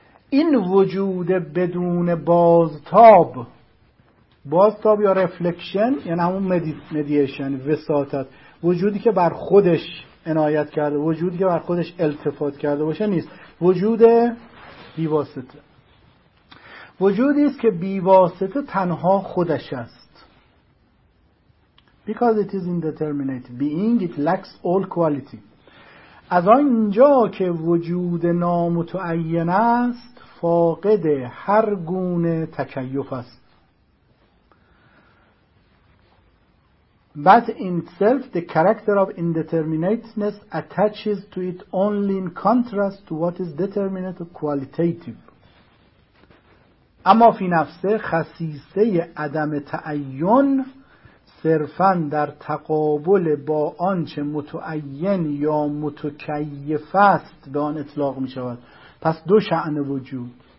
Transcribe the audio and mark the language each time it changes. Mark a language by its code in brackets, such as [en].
[fa] این وجود بدون بازتاب، بازتاب یا رفلکشن یعنی همون مدیشن وساطت، وجودی که بر خودش عنایت کرده، وجودی که بر خودش التفات کرده باشه نیست، وجود بیواسطه، وجودی است که بیواسطه تنها خودش است. [en] Because it is indeterminate being, it lacks all quality. [fa] از آنجا که وجود نامتعین است، فاقد هر گونه تکیف است. [en] But in itself, the character of indeterminateness attaches to it only in contrast to what is determinate or qualitative. [fa] اما فی نفسه خصیصه عدم تعین، صرفاً در تقابل با آنچه متعین یا متکیف است به آن اطلاق می شود. پس دو شأن وجود.